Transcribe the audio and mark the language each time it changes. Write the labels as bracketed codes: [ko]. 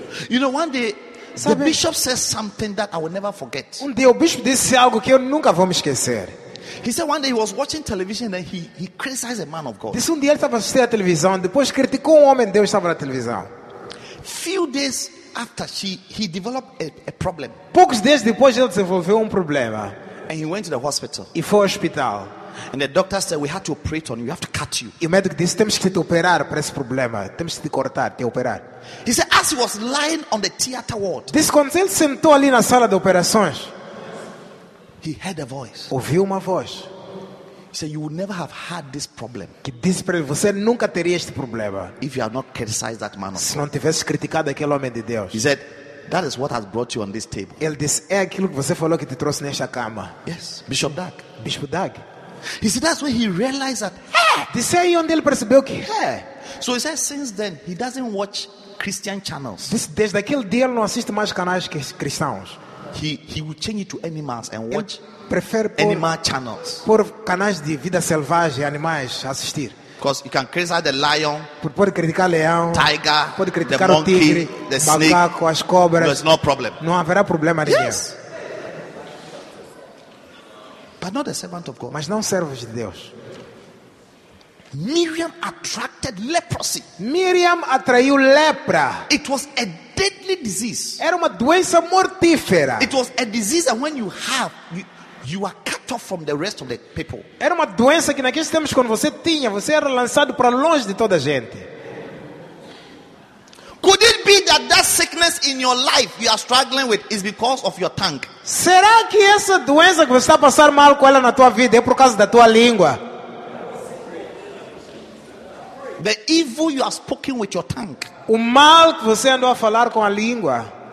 [en] You know, one day the bishop says something that I will never forget. [pt] Um dia o bispo disse algo que eu nunca vou me esquecer. [en] He said one day he was watching television and he criticized a man of God. [pt] Disse um dia ele estava assistindo a televisão, depois criticou um homem de Deus estava na televisão. [en] Few days after he developed a problem. [pt] Poucos dias depois ele desenvolveu problema. [en] And he went to the hospital. [pt] E foi ao hospital. [en] And the doctor said, "We had to operate on you. We have to cut you." [pt] E o médico disse, "Temos que te operar para esse problema. Temos que te cortar, te operar." [en] He said, "As he was lying on the theater ward." [pt] Diz quando ele sentou ali na sala de operações. [en] He heard a voice. [pt] Ouviu uma voz. [en] He said, "You would never have had this problem." [pt] Que disse para ele, você nunca teria este problema. [en] If you had not criticized that man. [pt] Se não tivesse criticado aquele homem de Deus. [en] He said, "That is what has brought you on this table." [pt] Ele disse, é aquilo que você falou que te trouxe nesta cama. [en] Yes, Bishop Doug. [pt] Bispo Doug. [en] He said, that's when he realized that. [pt] Disse aí onde ele percebeu que. [en] Hey. So he said, since then he doesn't watch Christian channels. [pt] Disse, desde aquele dia ele não assiste mais canais cristãos. [en] He will change it to animals and watch. [pt] Ele prefere por [en] animal channels. [pt] Por canais de vida selvagem, animais assistir. [en] Because you can criticize the lion, [pt] pode criticar leão, [en] tiger, [pt] pode criticar [en] the monkey, [pt] o tigre, [en] the snake, [pt] macaco, as cobras. [en] There's no problem. [pt] Não haverá problema nenhum. [en] Yes. But not the servant of God. [pt] Mas não servos de Deus. [en] Miriam attracted leprosy. [pt] Miriam atraiu lepra. [en] It was a deadly disease. [pt] Era uma doença mortífera. [en] It was a disease that when you have, you are cut off from the rest of the people. [pt] Era uma doença que naqueles tempos quando você tinha, você era lançado para longe de toda a gente. [en] Could it be that that sickness in your life you are struggling with is because of your tongue? [pt] Será que essa doença que você está passando mal com ela na tua vida é por causa da tua língua? [en] The evil you are speaking with your tongue. [pt] O mal que você andou a falar com a língua.